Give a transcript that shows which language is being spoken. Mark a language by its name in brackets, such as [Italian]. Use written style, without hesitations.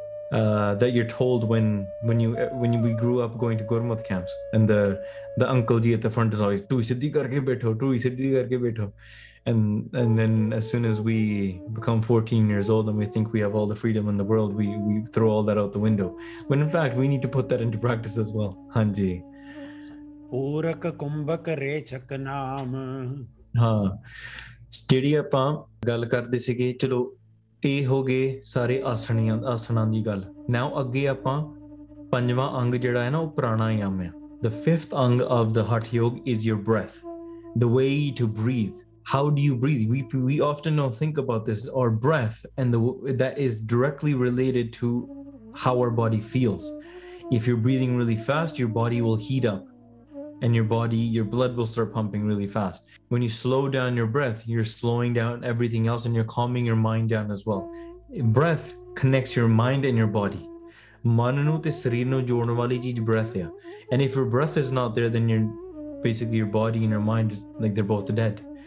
[English] that you're told when we grew up going to Gurmukh camps, and the uncle ji at the front is always [Punjabi] tu siddhi karke baitho, tu siddhi karke baitho, [English] and then as soon as we become 14 years old and we think we have all the freedom in the world, we throw all that out the window, when in fact we need to put that into practice as well. [Punjabi] Hanji ਪੂਰਕ ਕੁੰਭਕ ਰੇਚਕ ਨਾਮ ਹਾਂ ਜਿਹੜੀ ਆਪਾਂ ਗੱਲ ਕਰਦੇ ਸੀਗੇ ਚਲੋ ਇਹ ਹੋ ਗਏ ਸਾਰੇ ਆਸਣੀਆਂ ਆਸਣਾਂ ਦੀ ਗੱਲ ਨਾਓ ਅੱਗੇ ਆਪਾਂ ਪੰਜਵਾਂ ਅੰਗ ਜਿਹੜਾ ਹੈ ਨਾ ਉਹ ਪ੍ਰਾਣਾਯਾਮ ਹੈ [English] The fifth ang of the hatha yoga is your breath the way to breathe how do you breathe we often don't think about this or breath and that is directly related to how our body feels if your breathing really fast your body will heat up and your body, your blood will start pumping really fast. When you slow down your breath, you're slowing down everything else and you're calming your mind down as well. Breath connects your mind and your body. [Punjabi] Man nu te sareer nu jodan wali cheez breath hai. [English] And if your breath is not there, then you're basically your body and your mind, like they're both dead.